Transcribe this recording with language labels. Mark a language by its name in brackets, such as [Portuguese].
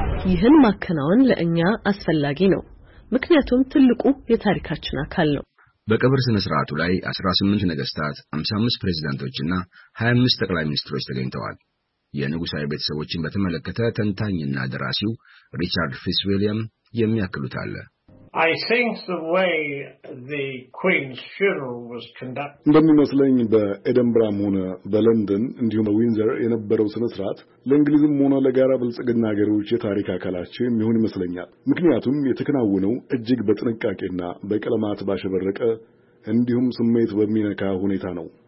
[Amharic] ይህን ማከናወን ለእኛ አስፈላጊ ነው፣ ምክንያቱም ትልቁ የታሪካችን አካል ነው። በቀብር ስነ ስርዓቱ ላይ 18 ነገስታት፣ 55 ፕሬዝዳንቶችና 25 ጠቅላይ ሚኒስትሮች ተገኝተዋል። የንጉሳዊ ቤተሰቦችን በተመለከተ ተንታኝና ደራሲው ሪቻርድ ፊስ ዊሊያም የሚያክሉት አለ። [English] I think the way the Queen's funeral was conducted [Amharic] እንደሚመስለኝ በኤደንብራም ሆነ በለንደን እንዲሁም በዊንዘር የነበረው ስነ ስርዓት ለእንግሊዝም ሆነ ለጋራ ብልጽግና ሀገሮች የታሪክ አካላቸው የሚሆን ይመስለኛል። ምክንያቱም የተከናወነው እጅግ በጥንቃቄና በቀለማት ባሸበረቀ እንዲሁም ስሜት በሚነካ ሁኔታ ነው።